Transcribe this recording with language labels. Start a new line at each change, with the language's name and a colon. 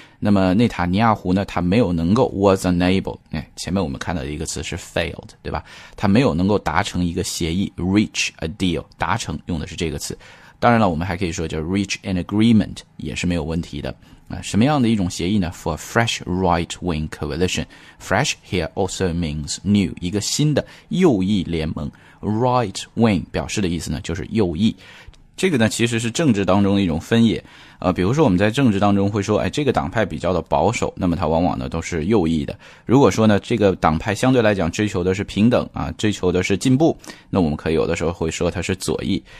Chinese: 那么内塔尼亚胡呢，他没有能够
English: was unable，
Chinese: 哎，前面我们看到的一个词是 failed， 对吧？他没有能够达成一个协议 ，
English: reach a deal，
Chinese: 达成用的是这个词。当然了，我们还可以说叫
English: reach an agreement，
Chinese: 也是没有问题的。什么样的一种协议呢
English: ？For a fresh right wing coalition， fresh here also means new，
Chinese: 一个新的右翼联盟。 Right wing 表示的意思呢，就是右翼。这个呢其实是政治当中的一种分野，比如说我们在政治当中会说，哎，这个党派比较的保守，那么它往往呢都是右翼的。如果说呢这个党派相对来讲追求的是平等啊，追求的是进步，那我们可以有的时候会说它是左翼。